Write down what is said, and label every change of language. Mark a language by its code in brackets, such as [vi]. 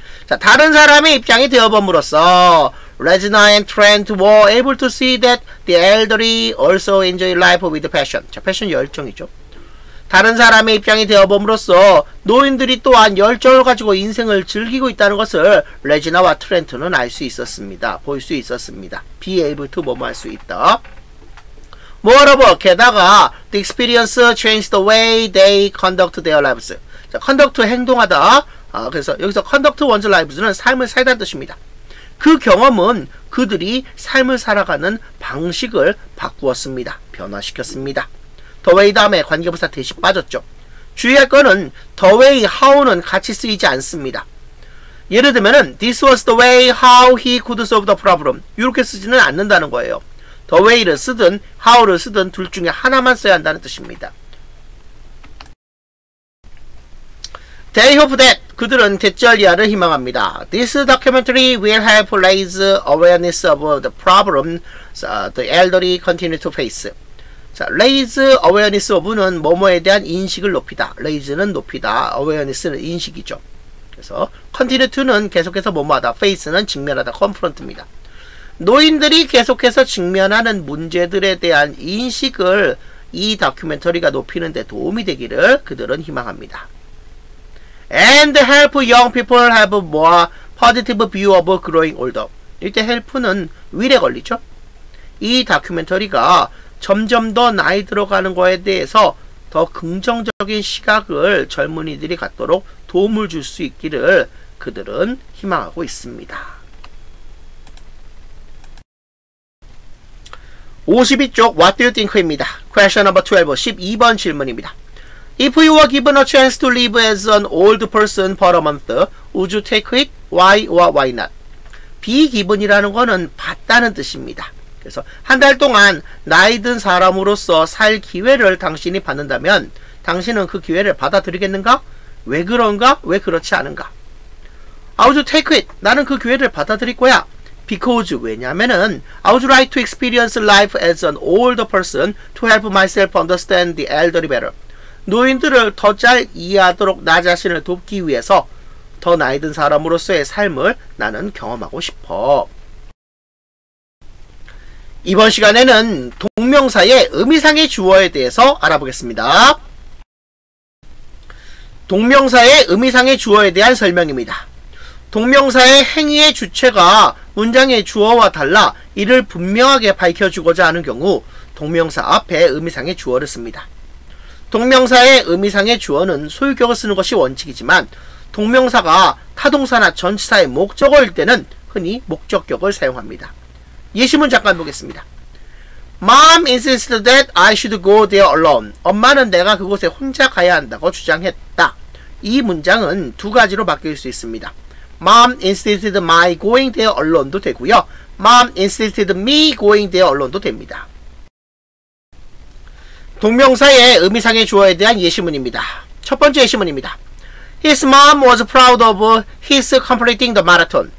[ko] 자, 다른 사람의 입장이 되어봄으로써 [en] Regina and Trent were able to see that the elderly also enjoy life with passion. [ko] 자, 패션 열정이죠. 다른 사람의 입장이 되어봄으로써 노인들이 또한 열정을 가지고 인생을 즐기고 있다는 것을 레지나와 트렌트는 알 수 있었습니다. 볼 수 있었습니다. Be able to 뭐뭐 할 수 있다. [en] Moreover, [ko] 게다가 [en] the experience changed the way they conduct their lives. [ko] 자, conduct 행동하다. 그래서 여기서 conduct one's lives는 삶을 살다는 뜻입니다. 그 경험은 그들이 삶을 살아가는 방식을 바꾸었습니다. 변화시켰습니다. 더웨이 다음에 관계부사 대시 빠졌죠. 주의할 거는 더웨이 how는 같이 쓰이지 않습니다. 예를 들면은 [en] this was the way how he could solve the problem [ko] 이렇게 쓰지는 않는다는 거예요. 더웨이를 쓰든 how를 쓰든 둘 중에 하나만 써야 한다는 뜻입니다. [en] They hope that [ko] 그들은 대절리아를 희망합니다. [en] This documentary will help raise awareness of the problem the elderly continue to face. [ko] 자, raise awareness of는 뭐뭐에 대한 인식을 높이다. raise는 높이다. awareness는 인식이죠. 그래서 continue to는 계속해서 뭐뭐하다. face는 직면하다. confront입니다. 노인들이 계속해서 직면하는 문제들에 대한 인식을 이 다큐멘터리가 높이는 데 도움이 되기를 그들은 희망합니다. [en] And help young people have more positive view of growing older. [ko] 이때 help는 will에 걸리죠. 이 다큐멘터리가 점점 더 나이 들어가는 거에 대해서 더 긍정적인 시각을 젊은이들이 갖도록 도움을 줄 수 있기를 그들은 희망하고 있습니다. 52쪽 What do you think입니다. [en] Question number 12, [ko] 12번 질문입니다. [en] If you were given a chance to live as an old person for a month, would you take it? Why or why not? [ko] Be given이라는 거는 받다는 뜻입니다. 그래서 한 달 동안 나이 든 사람으로서 살 기회를 당신이 받는다면 당신은 그 기회를 받아들이겠는가? 왜 그런가? 왜 그렇지 않은가? [en] I would take it. [ko] 나는 그 기회를 받아들일 거야. [en] Because [ko] 왜냐면은 [en] I would like to experience life as an old person to help myself understand the elderly better. [ko] 노인들을 더 잘 이해하도록 나 자신을 돕기 위해서 더 나이 든 사람으로서의 삶을 나는 경험하고 싶어. 이번 시간에는 동명사의 의미상의 주어에 대해서 알아보겠습니다. 동명사의 의미상의 주어에 대한 설명입니다. 동명사의 행위의 주체가 문장의 주어와 달라 이를 분명하게 밝혀주고자 하는 경우 동명사 앞에 의미상의 주어를 씁니다. 동명사의 의미상의 주어는 소유격을 쓰는 것이 원칙이지만 동명사가 타동사나 전치사의 목적어일 때는 흔히 목적격을 사용합니다. 예시문 잠깐 보겠습니다. [en] Mom insisted that I should go there alone. [ko] 엄마는 내가 그곳에 혼자 가야 한다고 주장했다. 이 문장은 두 가지로 바뀔 수 있습니다. [en] Mom insisted my going there alone도 되고요. Mom insisted me going there alone도 됩니다. [ko] 동명사의 의미상의 주어에 대한 예시문입니다. 첫 번째 예시문입니다. [en] His mom was proud of his completing the marathon.